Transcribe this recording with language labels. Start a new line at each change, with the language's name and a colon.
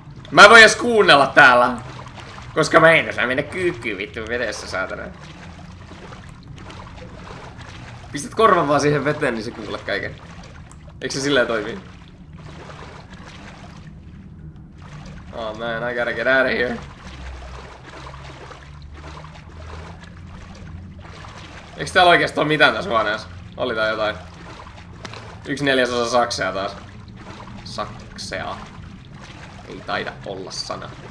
Finnish: Mä voin edes kuunnella täällä. Koska mä en osaa mennä kyykkyyn vittu vedessä, saatana. Pistät korvan vaan siihen veteen, niin se kuulet kaiken. Eikö se silleen toimii?
English: Oh man, I gotta get out of here.
Finnish: Eikö täällä oikeesti oo mitään tässä huoneessa? Oli tää jotain. 1/4 saksea taas. Saksea. Ei taida olla sana.